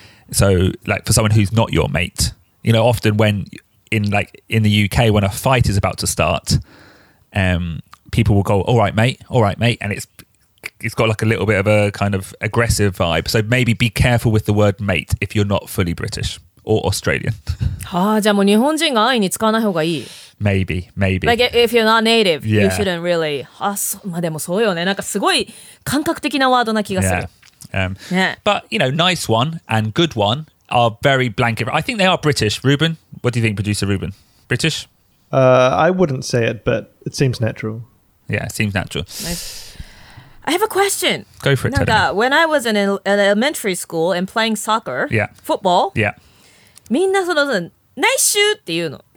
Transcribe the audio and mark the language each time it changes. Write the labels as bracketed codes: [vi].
[en] So, like for someone who's not your mate, you know, often when in the UK when a fight is about to start, people will go, "All right, mate," and it's got like a little bit of a kind of aggressive vibe. So maybe be careful with the word mate if you're not fully British or Australian. [ja] Ah, じゃあもう日本人が愛に使わない方がいい。 [en] Maybe. Like if you're not native,、yeah. you shouldn't really. [ja] まあでもそうよね。なんかすごい感覚的なワードな気がする。 [en] But you know, nice one and good one are very blanket. I think they are British. Ruben, what do you think, producer Ruben? British? I wouldn't say it, but it seems natural. Yeah, it seems natural. Nice. I have a question. Go for it, Teddy. Now, when I was in an elementary school and playing soccer, yeah, football, yeah, [ja] みんなそのナイスシュっていうの。